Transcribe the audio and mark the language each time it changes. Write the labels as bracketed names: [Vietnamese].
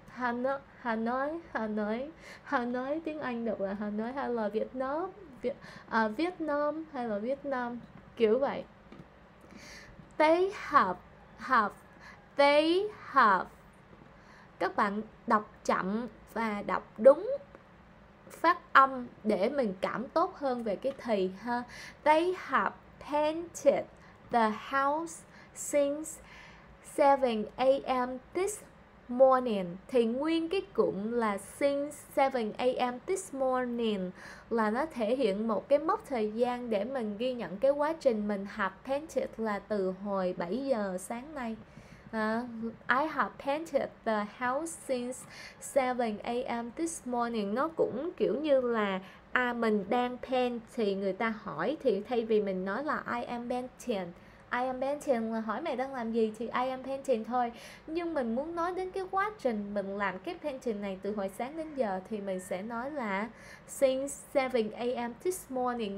[Vietnamese] Hanoi, Hanoi, Hanoi, Hanoi tiếng Anh được là Hanoi hay là Việt Nam, Việt Nam hay là Việt Nam kiểu vậy. [English] They have, they have. [Vietnamese] các bạn đọc chậm và đọc đúng phát âm để mình cảm tốt hơn về cái thì ha. [English] They have painted the house since 7 a.m. this morning. [Vietnamese] Thì nguyên cái cụm là [English] since 7 a.m. this morning [Vietnamese] là nó thể hiện một cái mốc thời gian để mình ghi nhận cái quá trình mình học painted là từ hồi 7 giờ sáng nay. [English] I have painted the house since 7 a.m. this morning. [Vietnamese] Nó cũng kiểu như là mình đang paint thì người ta hỏi, thì thay vì mình nói là [English] I am painting [Vietnamese] là hỏi mày đang làm gì thì I am painting thôi. Nhưng mình muốn nói đến cái quá trình mình làm cái painting này từ hồi sáng đến giờ thì mình sẽ nói là [English] since 7 a.m. this morning.